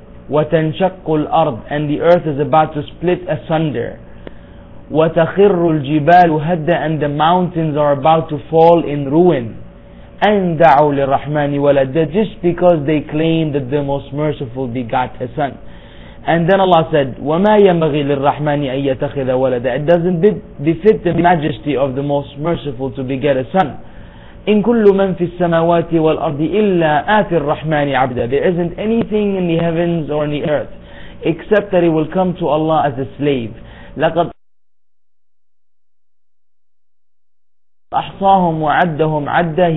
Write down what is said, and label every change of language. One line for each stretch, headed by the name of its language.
Arabic: وَتَنْشَقُّ الْأَرْضِ.
English: And the earth is about to split asunder.
Arabic: وَتَخِرُّ الْجِبَالُ هَدَّ.
English: And the mountains are about to fall in ruin.
Arabic: أَنْ دَعُوا لِلرَّحْمَنِ وَلَدًا.
English: Just because they claim that the Most Merciful begot a son. And then Allah said,
Arabic: وَمَا يَمَغِي لِلرَّحْمَنِ أَن يَتَخِذَ وَلَدًا.
English: It doesn't befit the majesty of the Most Merciful to beget a son.
Arabic: إِن كُلُّ مَن فِي السَّمَاوَاتِ وَالْأَرْضِ إِلَّا آتِ الرَّحْمَنِ عَبْدًا.
English: There isn't anything in the heavens or in the earth except that it will come to Allah as a slave.
Arabic: لَقَدْ أَحْصَاهُمْ وَعَدَّهُمْ عَدَّا.